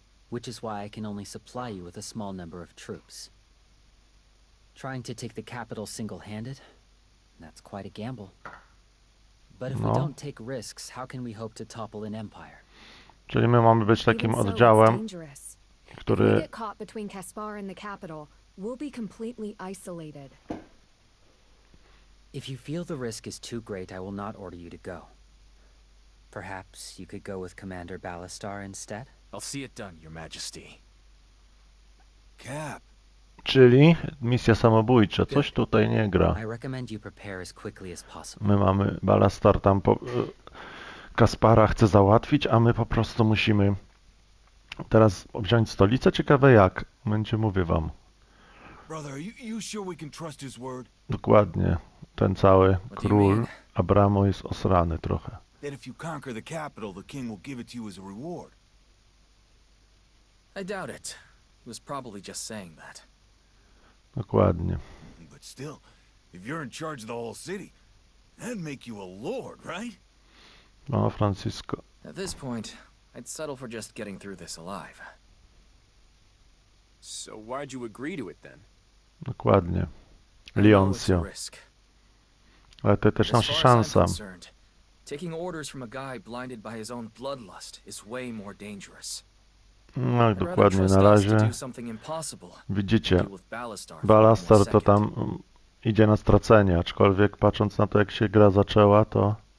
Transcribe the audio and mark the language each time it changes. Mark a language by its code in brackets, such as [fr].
[en] Which is why I can only supply you with a small number of troops. Trying to take the capital single-handed? That's quite a gamble. But if we don't take risks, how can we hope to topple an empire? [pl] Czyli my mamy być takim oddziałem, który... [en] If we get caught between Caspar and the capital, we'll be completely isolated. If you feel the risk is too great, I will not order you to go. Perhaps you could go with Commander Balastar instead? I'll see it done, Your Majesty. Cap. [pl] Czyli misja samobójcza. Coś tutaj nie gra. I recommend you prepare as quickly as possible. My mamy Balastar tam po... Kaspara chce załatwić, a my po prostu musimy... Teraz wziąć stolicę? Ciekawe jak. Będzie, mówię wam. [en] Brother, you sure we can trust his word? [pl] Dokładnie. Ten cały król Abramo jest osrany trochę. [en] Then if you conquer the capital, the king will give it to you as a reward. I doubt it. He was probably just saying that. [pl] Dokładnie. [en] But still, If you're in charge of the whole city, that'd make you a lord, right? [pl] No, Francisco. [en] At this point, I'd settle for just getting through this alive. So why'd you agree to it then? [pl] Dokładnie. Leoncio. Ale to też nasza szansa. [en] Taking orders from a guy blinded by his own bloodlust is way more dangerous. [pl] No, dokładnie, na razie widzicie, Balastar to tam idzie na stracenie, aczkolwiek patrząc na to, jak się gra zaczęła, to...